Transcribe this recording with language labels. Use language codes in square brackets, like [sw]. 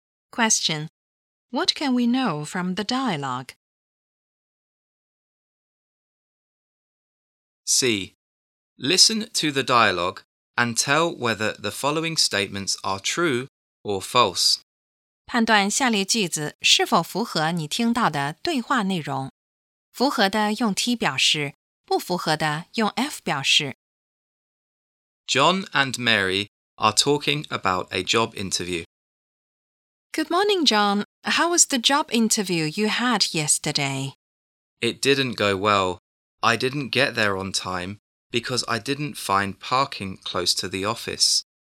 [en] Question. What can we know from the dialogue? C. Listen to the dialogue and tell whether the following statements are true or false. [zh] 判断下列句子是否符合你听到的对话内容。符合的用 T 表示，不符合的用 F 表示。 [en] John and Mary are talking about a job interview. Good morning, John. How was the job interview you had yesterday? It didn't go well. I didn't get there on time because I didn't find parking close to the office.